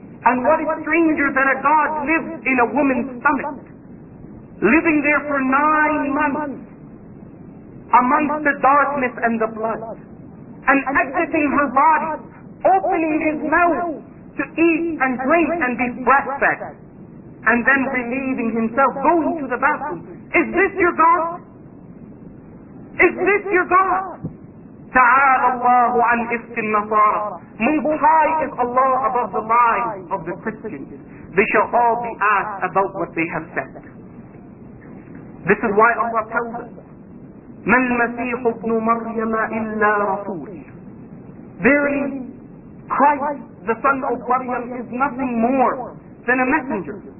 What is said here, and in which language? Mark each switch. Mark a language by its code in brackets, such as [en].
[en] And what is stranger than a God lives in a woman's stomach, living there for 9 months, amongst the darkness and the blood, and exiting her body, opening his mouth to eat and drink and be breastfed, and then relieving himself, going to the bathroom. Is this your God? Is this your God? [ar] تعالى الله عن إفك النصارى. [en] Most high is Allah above the lives of the Christians. They shall all be asked about what they have said. This is why Allah tells us, [ar] ما المسيح ابن مريم إلا رسول. [en] Verily, Christ, the son of Maryam, is nothing more than a messenger.